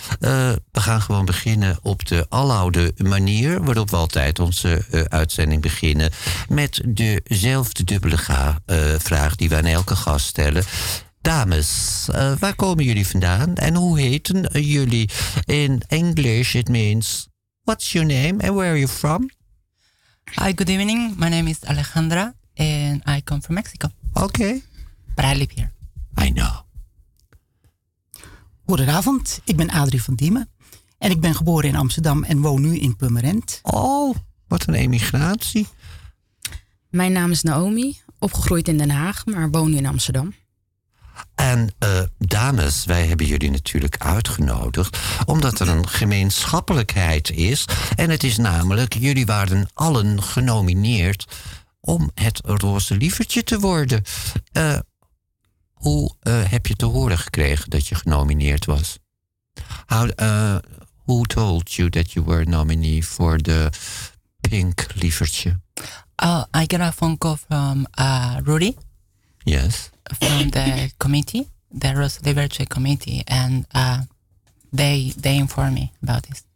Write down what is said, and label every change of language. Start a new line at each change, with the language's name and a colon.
Dutch: We gaan gewoon beginnen op de aloude manier waarop we altijd onze uitzending beginnen. Met dezelfde dubbele vraag die we aan elke gast stellen. Dames, waar komen jullie vandaan en hoe heten jullie?
English: In English it means... What's your name and where are you from? Hi, good evening. My name is Alejandra and I come from Mexico. Okay. But I live here. I know.
Dutch: Goedenavond, ik ben Adrie van Diemen. En ik ben geboren in Amsterdam en woon nu in Purmerend. Oh, wat een emigratie. Mijn naam is Naomi, opgegroeid in Den Haag, maar woon nu in Amsterdam. En dames, wij hebben jullie natuurlijk uitgenodigd omdat er een gemeenschappelijkheid is. En het is namelijk, jullie waren allen genomineerd om het roze lievertje te worden. Hoe heb je te horen gekregen dat je genomineerd was?
English: Who told you that you were nominee for the pink lievertje? I got a phone call from Rudy. Yes. From the committee, the Rose Liberty Committee, and they informed me about this.